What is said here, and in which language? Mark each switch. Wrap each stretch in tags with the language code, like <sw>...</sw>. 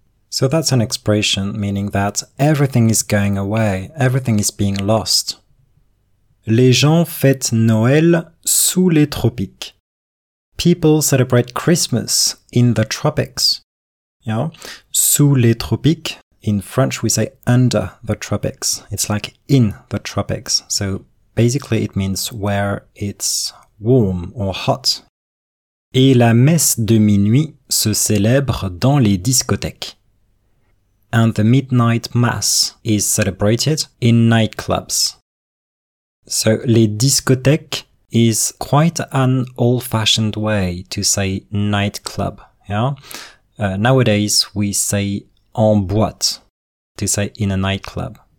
<en>So that's an expression meaning that everything is going away, everything is being lost.</en> <fr>Les gens fêtent Noël sous les tropiques.</fr> <en>People celebrate Christmas in the tropics. Yeah.</en> <fr>Sous les tropiques.</fr> <en>In French, we say under the tropics. It's like in the tropics. So basically, it means where it's warm or hot.</en> <fr>Et la messe de minuit se célèbre dans les discothèques.</fr> <en>And the midnight mass is celebrated in nightclubs. So, les discothèques is quite an old-fashioned way to say nightclub, yeah? Nowadays, we say en boîte, to say in a nightclub.</en>